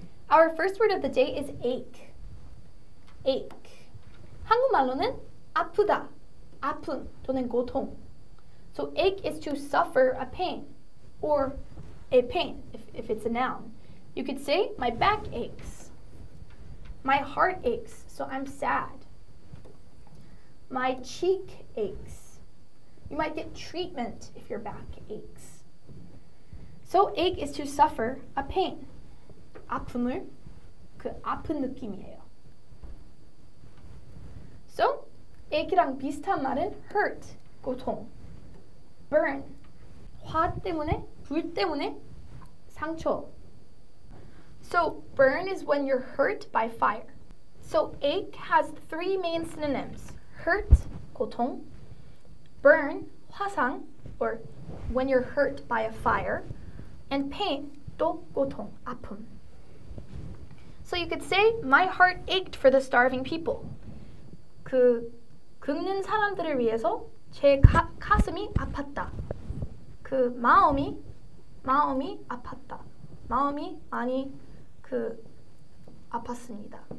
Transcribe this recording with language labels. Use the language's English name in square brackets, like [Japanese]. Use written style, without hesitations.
[English] Our first word of the day is ache. Ache. [Korean] 한국말로는 아프다, 아픔 또는 고통. [English] So ache is to suffer a pain, or a pain, if it's a noun. You could say, my back aches. My heart aches, so I'm sad. My cheek aches. You might get treatment if your back aches. So ache is to suffer a pain. [Korean] 아픔을 그 아픈 느낌이에요. So ache랑 비슷한 말은 hurt, 고통. Burn, 화 때문에, 불 때문에 상처. [English] So burn is when you're hurt by fire. So ache has three main synonyms. Hurt, 고통. Burn, 화상, or when you're hurt by a fire, and pain, [Korean] 또 고통, 아픔. [English] So you could say, my heart ached for the starving people. [Korean] 그 굶는 사람들을 위해서 제 가슴이 아팠다. 그 마음이 아팠다. 마음이 많이 그 아팠습니다.